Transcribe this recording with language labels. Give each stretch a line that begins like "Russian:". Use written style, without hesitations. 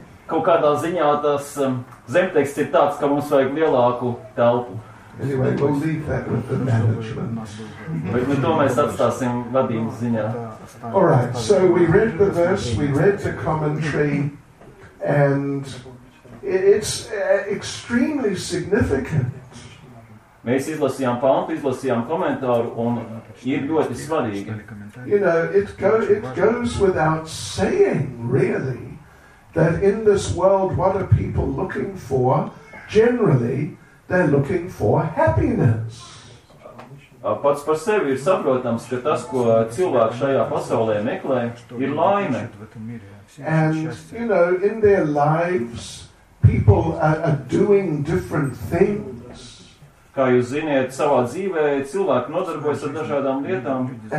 Latvian: Kaut kādā ziņā tas zemteksts ir tāds, ka mums vajag lielāku telpu.
English: Anyway, we'll leave that with the management.
Latvian: Bet nu to mēs atstāsim vadības ziņā.
English: All right, so we read the verse, we read the commentary, and it's extremely significant.
Latvian: Mēs izlasījām pantu, izlasījām komentāru, un ir ļoti svarīgi.
English: You know, it goes without saying, really, that in this world, what are people looking for? Generally, they're looking for happiness.
Latvian: Pats par sevi ir saprotams, ka tas, ko cilvēki šajā pasaulē meklē, ir laime.
English: And, you know, in their lives, people are doing different things.
Latvian: Kā jūs ziniet, savā dzīvē cilvēki nodarbojas ar dažādām lietām.